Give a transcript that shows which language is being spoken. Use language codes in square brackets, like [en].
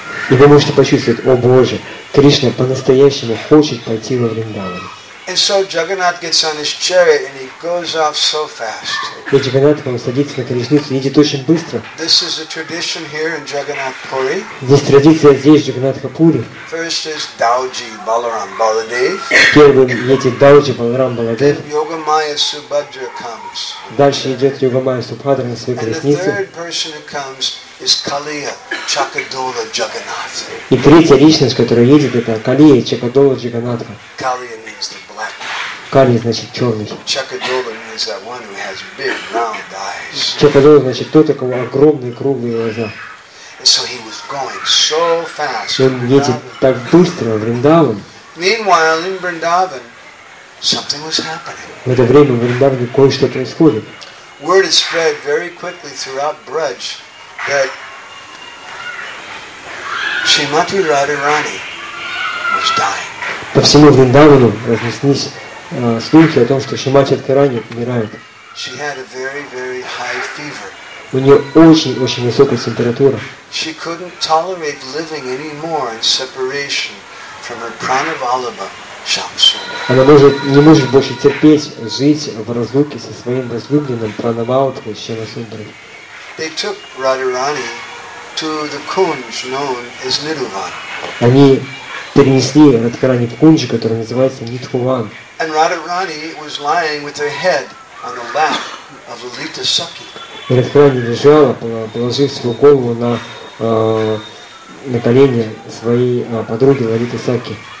[ru] И вы можете почувствовать, о Боже, Кришна по-настоящему хочет пойти во Вриндаван. [en] And so Jagannath gets on his chariot and he goes off so fast. [ru] И Джаганнатх, он садится на колесницу и едет очень быстро. [en] This is a tradition here in Jagannath Puri. [ru] Здесь традиция здесь, Джаганнатха Пури. [en] First is Dauji Balaram Baladev. [ru] Первым едет Дауджи Баларам Баладев. [en] Then Йогамая Субхадра comes. [ru] Дальше идет Йогамая Субхадра на своей колеснице. [en] And the third person who comes is Kaliya Chakadola Jagannath. [ru] И третья личность, которая едет, это Калия Чакадола Джаганнатха. [en] Kaliya means the black one. [ru] Кали значит черный. [en] Chakadola means that one who has big round eyes. [ru] Чакадола значит тот, у кого огромные круглые глаза. [en] And so he was going so fast. [ru] Он едет так быстро в Вриндаван. [en] Meanwhile, in Vrindavan, something was happening. [ru] В это время в Вриндаване кое-что происходит. [en] Word is spread very quickly throughout Braj that Shrimati Radharani was dying. [ru] По всему Вриндавану разнеслись слухи о том, что Шримати Радхарани умирает. [en] She had a very, very high fever. [ru] У нее очень-очень высокая температура. [en] She couldn't tolerate living anymore in separation from her pranavalabha Shamsundara. [ru] Она не может больше терпеть жить в разлуке со своим возлюбленным пранавалабхой Шамасундарой. [en] They took Radharani to the kunj known as Nidhuvan. [ru] Они перенесли Радхарани в кунж, который называется Нидхуван. [en] And Radharani was lying with her head on the lap of Lalita Sakhi. [ru] И Радхарани лежала, положив свою голову на колени своей подруги Лалиты Сакхи.